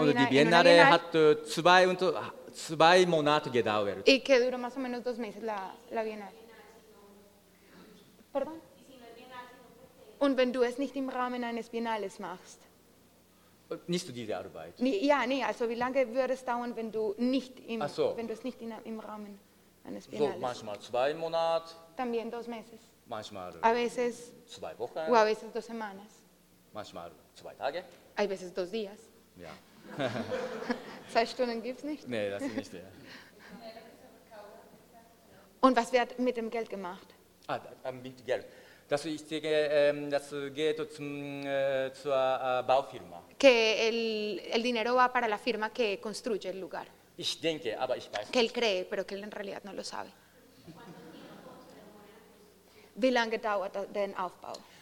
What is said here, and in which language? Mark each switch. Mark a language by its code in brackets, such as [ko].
[de] Biennale. Und die Biennale hat zwei Monate gedauert. [es] Y que duró más o menos dos meses la Biennale. Perdón. [de] Und wenn du es nicht im Rahmen eines Biennales machst? Nicht diese Arbeit. Also wie lange würde es dauern, wenn du nicht wenn du es nicht im Rahmen eines Biennales machst? So, manchmal zwei Monate. [es] También dos meses. [de] Manchmal. [es] A veces. [de] Zwei Wochen. [es] O a veces dos semanas. [de] Manchmal zwei Tage. [es] A veces dos días. [de] Ja. Zwei Stunden gibt's nicht. Nee, das ist nicht der. Und was wird mit dem Geld gemacht? Ah, mit Geld. Das, ich denke, das geht zur Baufirma. [es] Que el dinero va para la firma que construye el lugar. [de] Ich denke, aber ich weiß. [es] Que él cree, pero que él en realidad no lo sabe. [de] Wie lange dauert der Aufbau?